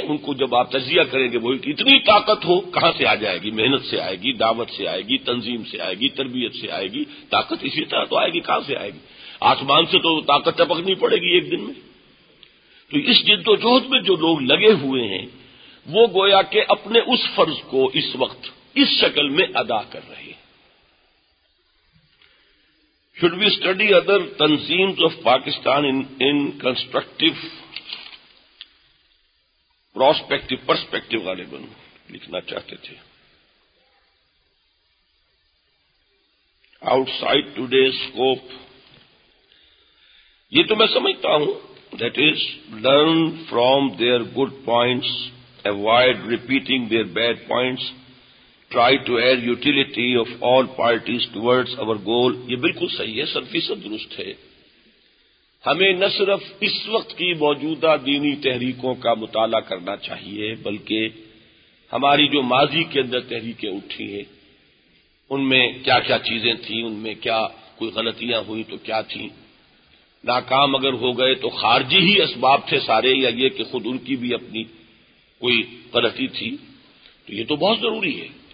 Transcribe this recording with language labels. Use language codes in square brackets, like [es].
[ur] ان کو جب آپ تجزیہ کریں گے وہی کہ اتنی طاقت ہو کہاں سے آ جائے گی؟ محنت سے آئے گی، دعوت سے آئے گی، تنظیم سے آئے گی، تربیت سے آئے گی. طاقت اسی طرح تو آئے گی، کہاں سے آئے گی؟ آسمان سے تو طاقت ٹپکنی پڑے گی ایک دن میں. تو اس جد و جہد میں جو لوگ لگے ہوئے ہیں وہ گویا کہ اپنے اس فرض کو اس وقت اس شکل میں ادا کر رہے ہیں. [en] Should we study other tanzeems of Pakistan in constructive prospective perspective [ur] wale ban likhna chahte the. [en] Outside today's scope, [ur] ye to main samajhta hu, [en] that is learn from their good points, avoid repeating their bad points, try to add utility of all parties towards our goal. [ur] یہ بالکل صحیح ہے, 100% درست ہے. ہمیں نہ صرف اس وقت کی موجودہ دینی تحریکوں کا مطالعہ کرنا چاہیے بلکہ ہماری جو ماضی کے اندر تحریکیں اٹھی ہیں ان میں کیا کیا چیزیں تھیں, ان میں کیا کوئی غلطیاں ہوئی تو کیا تھیں, ناکام اگر ہو گئے تو خارجی ہی اسباب تھے سارے یا یہ کہ خود ان کی بھی اپنی کوئی غلطی تھی, تو یہ تو بہت ضروری ہے.